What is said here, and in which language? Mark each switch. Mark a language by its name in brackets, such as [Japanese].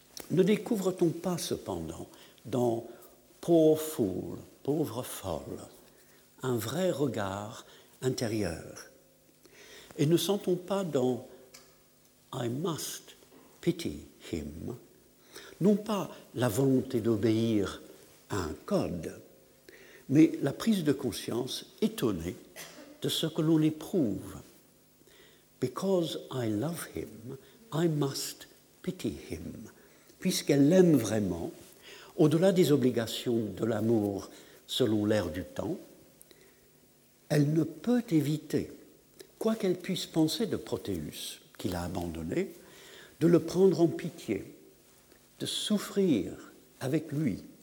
[French] Ne découvre-t-on pas cependant dans [English] Poor Fool, [French] pauvre folle, un vrai regard intérieur? Et ne sent-on pas dans [English] I must pity him, [French] non pas la volonté d'obéir à un code, mais la prise de conscience étonnée de ce que l'on éprouve. [English] Because I love him, I must pity him. [French] Puisqu'elle l'aime vraiment, au-delà des obligations de l'amour selon l'air du temps, elle ne peut éviter, quoi qu'elle puisse penser de Proteus, qu'il a abandonné, de le prendre en pitié, de souffrir avec lui.